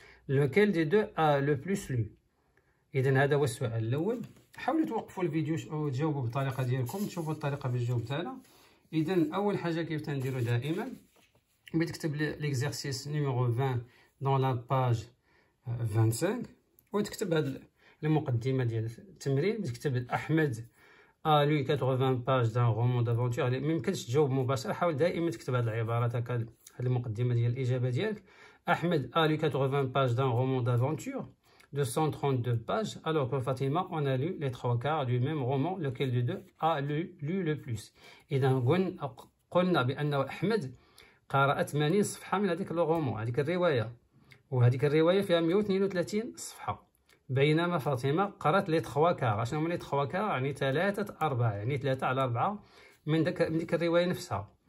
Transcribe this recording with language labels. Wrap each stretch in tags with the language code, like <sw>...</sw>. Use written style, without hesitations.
<fr>lequel des deux a le plus lu؟</fr> <ar>إذا هذا هو السؤال الأول. حاولوا توقفوا الفيديو وتجاوبوا بالطريقة ديالكم، تشوفوا الطريقة باش الجواب تاعنا. إذا أول حاجة كيف تنديروا دائما، بتكتب ليكزارسيس نيميرو 20 دون لا باج 25 وتكتب هاد المقدمة ديال التمرين، بتكتب أحمد</ar> <fr>a lu 80 pages d'un roman d'aventure.</fr> <ar>ما يمكنش تجاوب مباشرة، حاول دائما تكتب هاد العبارات هكا، هاد المقدمة ديال الإجابة ديالك.</ar> <fr>أحمد a lu 80 pages d'un roman d'aventure 232 pages alors que Fatima on a lu les trois quarts du même roman lequel de deux a lu le plus.</fr> <ar>إذا قلنا بأن أحمد قرأ 80 صفحة من هذيك الرومان، هذيك الرواية، وهذيك الرواية فيها 132 صفحة، بينما فاطمة قرأت لي تخوا كار. شنو هما لي تخوا كار؟ يعني ثلاثة أربعة، يعني ثلاثة على أربعة من ديك الرواية نفسها.</ar>